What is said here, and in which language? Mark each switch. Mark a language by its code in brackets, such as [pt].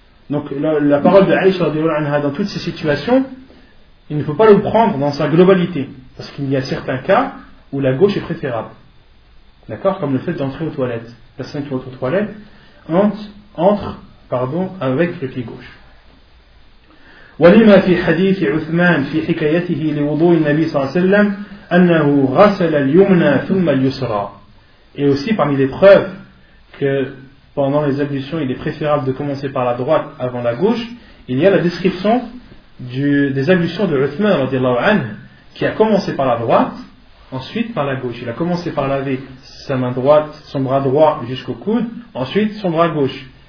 [fr] Donc la parole de Aïcha radhiyallahu anha dans toutes ces situations, il ne faut pas le prendre dans sa globalité, parce qu'il y a certains cas où la gauche est préférable. D'accord? Comme le fait d'entrer aux toilettes. La personne qui rentre aux toilettes entre avec le pied gauche. [ar] ولما في حديث عثمان في حكايته لوضوء النبي صلى الله عليه وسلم أنه غسل اليمنى ثم اليسرى. [fr] Et aussi parmi les preuves que pendant les ablutions il est préférable de commencer par la droite avant la gauche, il y a la description des ablutions de Uthman radiallahu anhu, qui a commencé par la droite, ensuite par la gauche. Il a commencé par laver sa main droite, son bras droit jusqu'au coude, ensuite son bras gauche.